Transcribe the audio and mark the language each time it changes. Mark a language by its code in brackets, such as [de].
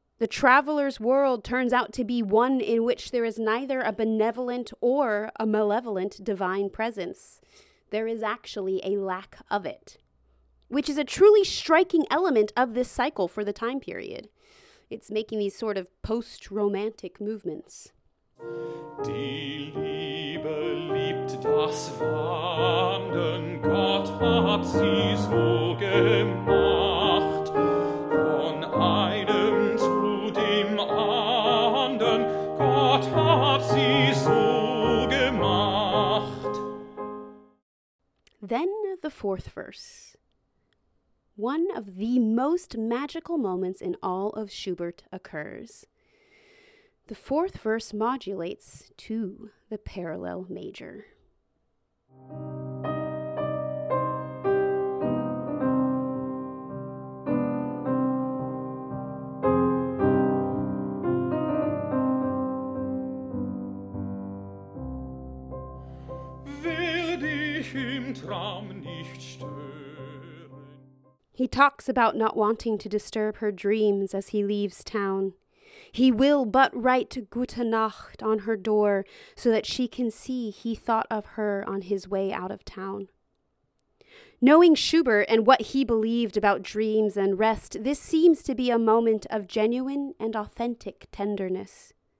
[en] The traveler's world turns out to be one in which there is neither a benevolent or a malevolent divine presence. There is actually a lack of it, which is a truly striking element of this cycle for the time period. It's making these sort of post-romantic movements. [de] Die Liebe liebt das Wandern, Gott hat sie so gemacht, von einem zu dem anderen, Gott hat sie so gemacht. [en] Then the fourth verse. One of the most magical moments in all of Schubert occurs. The fourth verse modulates to the parallel major. [de] Will dich im Traum nicht stören. [en] He talks about not wanting to disturb her dreams as he leaves town. He will but write [de] Gute Nacht [en] on her door so that she can see he thought of her on his way out of town. Knowing Schubert and what he believed about dreams and rest, this seems to be a moment of genuine and authentic tenderness.